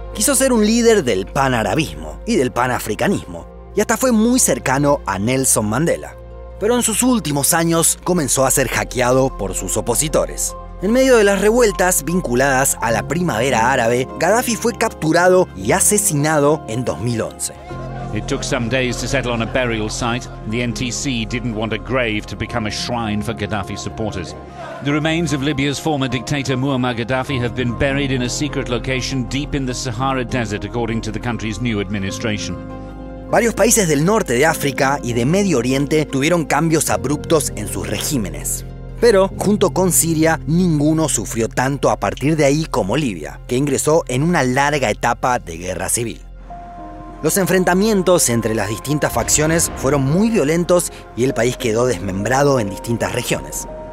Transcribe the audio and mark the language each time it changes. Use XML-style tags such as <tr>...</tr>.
<es>Quiso ser un líder del panarabismo y del panafricanismo, y hasta fue muy cercano a Nelson Mandela. Pero en sus últimos años comenzó a ser hackeado por sus opositores. En medio de las revueltas vinculadas a la Primavera Árabe, Gaddafi fue capturado y asesinado en 2011.</es> <en>It took some days to settle on a burial site. The NTC didn't want a grave to become a shrine for Gaddafi supporters. The remains of Libya's former dictator Muammar Gaddafi have been buried in a secret location deep in the Sahara Desert, according to the country's new administration.</en> <es>Varios países del norte de África y de Medio Oriente tuvieron cambios abruptos en sus regímenes. Pero, junto con Siria, ninguno sufrió tanto a partir de ahí como Libia, que ingresó en una larga etapa de guerra civil. Los enfrentamientos entre las distintas facciones fueron muy violentos y el país quedó desmembrado en distintas regiones.</es>